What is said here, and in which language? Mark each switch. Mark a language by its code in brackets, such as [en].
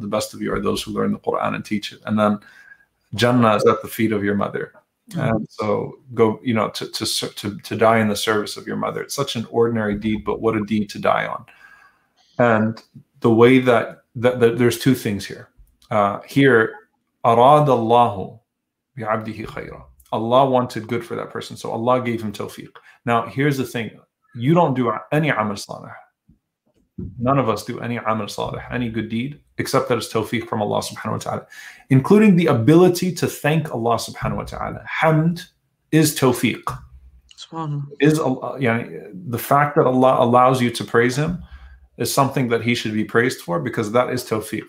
[en] The best of you are those who learn the Qur'an and teach it. And then Jannah is at the feet of your mother. And so go, you know, to die in the service of your mother. It's such an ordinary deed, but what a deed to die on. And the way that there's two things here. [ar] Here, أَرَادَ اللَّهُ بِعَبْدِهِ خَيْرًا. [en] Allah wanted good for that person, so Allah gave him tawfiq. Now, here's the thing. You don't do any amal salih. None of us do any amal salih, any good deed, except that it's tawfiq from Allah subhanahu wa ta'ala, including the ability to thank Allah subhanahu wa ta'ala. Hamd is tawfiq. Is Allah, you know, the fact that Allah allows you to praise Him is something that He should be praised for, because that is tawfiq.